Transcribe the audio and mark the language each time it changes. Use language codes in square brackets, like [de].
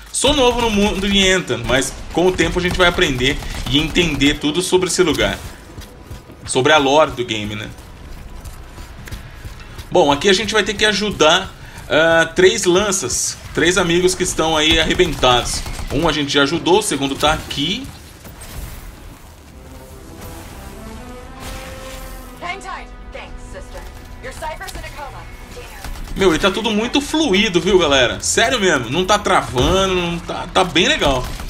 [pt] Sou novo no mundo de Entan, mas com o tempo a gente vai aprender e entender tudo sobre esse lugar. Sobre a lore do game, né? Bom, aqui a gente vai ter que ajudar três lanças. Três amigos que estão aí arrebentados. Um a gente já ajudou, o segundo tá aqui. [en] Hang tight. Thanks, sister. Your cipher's in a coma. Damn. [pt] Meu, ele tá tudo muito fluido, viu, galera? Sério mesmo, não tá travando, não tá, tá bem legal.